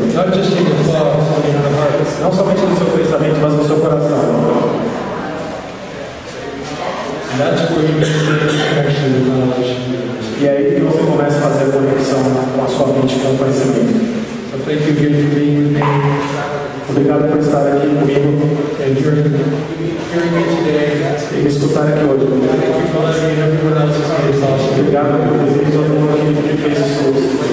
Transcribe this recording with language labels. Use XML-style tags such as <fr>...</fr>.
<en>Not just in your thoughts, but in your hearts.</en> <pt>Não somente no seu pensamento, mas no seu coração.</pt> <en>That's where you get the connection with knowledge.</en> <pt>E aí que você começa a fazer a conexão com a sua mente, com o conhecimento.</pt> <en>So thank you again for being with me.</en> <pt>Obrigado por estar aqui comigo.</pt> <en>And hearing me today.</en> <pt>E me escutar aqui hoje.</pt> <en>Thank you for letting me and everyone else is here.</en> <pt>Obrigado por fazer isso, todo mundo aqui que fez isso hoje.</pt>